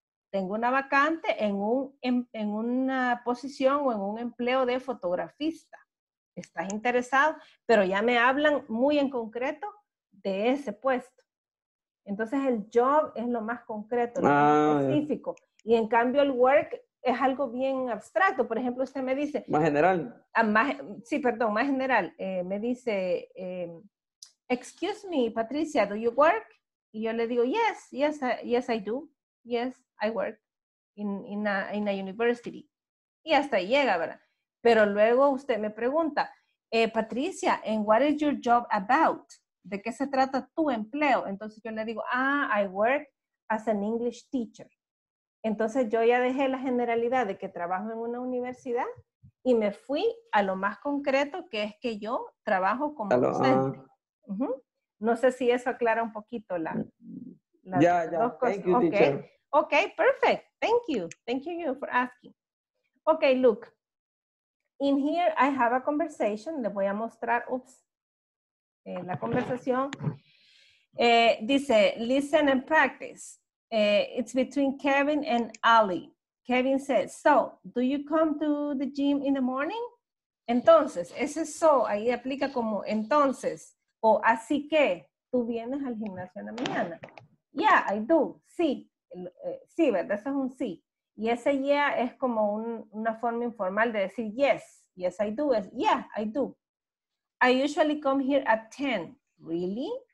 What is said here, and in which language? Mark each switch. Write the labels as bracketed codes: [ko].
[es] Tengo una vacante en una posición o en un empleo de fotografista. ¿Estás interesado? Pero ya me hablan muy en concreto de ese puesto. Entonces, el job es lo más concreto, lo más específico. Yeah. Y en cambio, el work es algo bien abstracto. Por ejemplo, usted me dice... Más general. Más general. Me dice, [en] excuse me, Patricia, do you work? [es] Y yo le digo, [en] yes, I do. Yes, I work in a university. [es] Y hasta ahí llega, ¿verdad? [en] Pero luego usted me pregunta, Patricia, and what is your job about? [es] ¿De qué se trata tu empleo? Entonces yo le digo, [en] I work as an English teacher. [es] Entonces yo ya dejé la generalidad de que trabajo en una universidad y me fui a lo más concreto, que es que yo trabajo como docente. No sé si eso aclara un poquito las dos cosas. [en] Thank you, okay. Teacher. Ok, perfect. Thank you for asking. Ok, look. In here, I have a conversation. [es] Les voy a mostrar, la conversación. [en] Dice, listen and practice. It's between Kevin and Ali. Kevin says, so, do you come to the gym in the morning? [es] Entonces, ese so, ahí aplica como entonces, o así que, tú vienes al gimnasio en la mañana. [en] Yeah, I do. [es] Sí. Sí, ¿verdad? Eso es un sí. Y ese yeah es como una forma informal de decir yes. [en] Yes, I do. Yeah, I do. I usually come here at 10. Really?